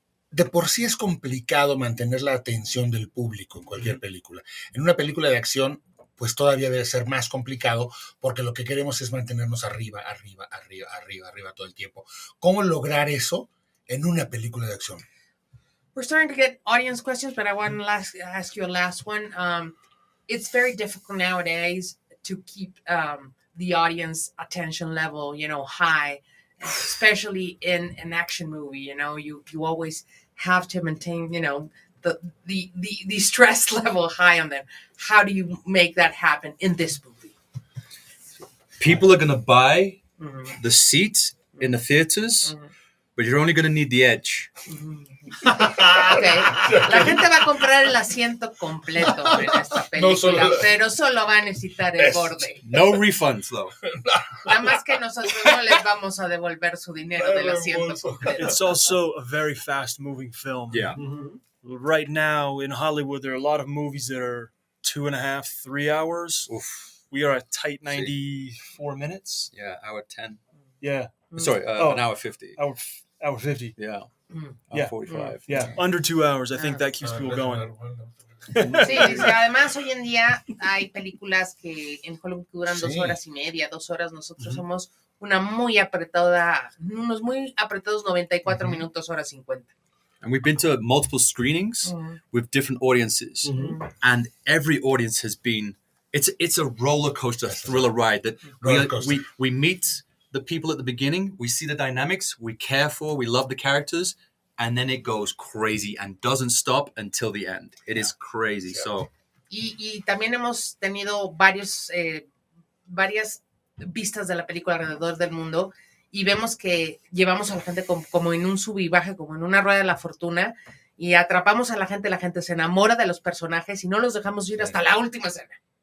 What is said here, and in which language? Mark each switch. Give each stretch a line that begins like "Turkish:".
Spanish: De por sí es complicado mantener la atención del público en cualquier película. En una película de acción, pues todavía debe ser más complicado porque lo que queremos es mantenernos arriba, arriba, arriba, arriba, arriba todo el tiempo. ¿Cómo lograr eso en una película de acción?
English: We're starting to get audience questions, but I want to ask you a last one. It's very difficult nowadays to keep the audience attention level, you know, high, especially in an action movie. You know, you always have to maintain, you know, the stress level high on them. How do you make that happen in this movie? People are going to buy the seats in the theaters, but you're only going to need the edge. Okay.
Spanish: La gente va a comprar el asiento completo en esta película, pero solo va a necesitar el borde.
English: No refunds, though.
Spanish: Nada más que nosotros no les vamos a devolver su dinero del asiento completo.
English: It's also a very fast-moving film. Yeah. Mm-hmm. Right now, in Hollywood, there are a lot of movies that are 2.5-3 hours. Oof. We are at tight 94 minutes. Yeah, hour 10. Yeah. Sorry, an hour 50. Hour 50. Yeah. Yeah, 45. Yeah, under 2 hours. I think that keeps people going.
Spanish: Sí, además hoy en día hay películas que en Hollywood duran 2 horas y media, 2 horas. Nosotros somos una muy apretada, unos muy apretados 94 minutos, hora 50.
English: And we've been to multiple screenings with different audiences, and every audience has been it's a roller coaster thriller ride that we meet. The people at the beginning, we see the dynamics, we care for, we love the characters, and then it goes crazy and doesn't stop until the end. It is crazy. Yeah. So.
Spanish: Y también hemos tenido varias vistas de la película alrededor del mundo y vemos que llevamos a la gente como en un sub y baje, como en una rueda de la fortuna, y atrapamos a la gente se enamora de los personajes y no los dejamos ir hasta la última escena.